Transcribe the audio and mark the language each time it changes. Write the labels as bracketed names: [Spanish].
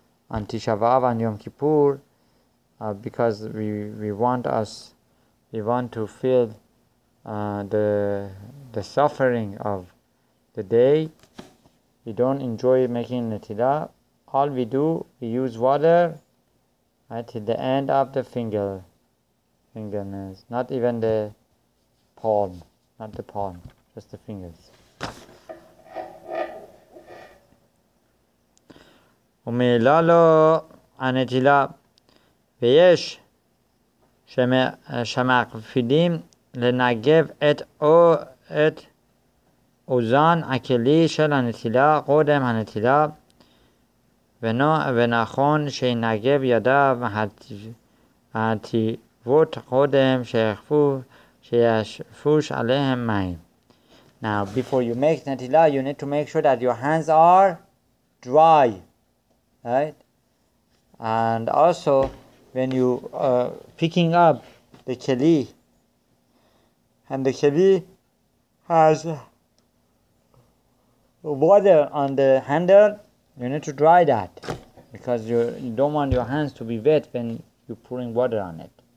[English] On Tisha B'Av and Yom Kippur, because we want to feel the suffering of the day, we don't enjoy making netila. All we do, we use water at the end of the fingernails, not even the palm, not the palm, just the fingers. [Hebrew] ומלאלו הנטילה, ויש שמקפידים לנגב את אוזן הכלי של הנטילה, קודם הנטילה, ונכון שינגב ידיו הטיבות קודם שישפוש עליהם מים. [English] Now, before you make נטילה, you need to make sure that your hands are dry. Right, and also when you picking up the keli, and the keli has water on the handle, you need to dry that because you don't want your hands to be wet when you're pouring water on it.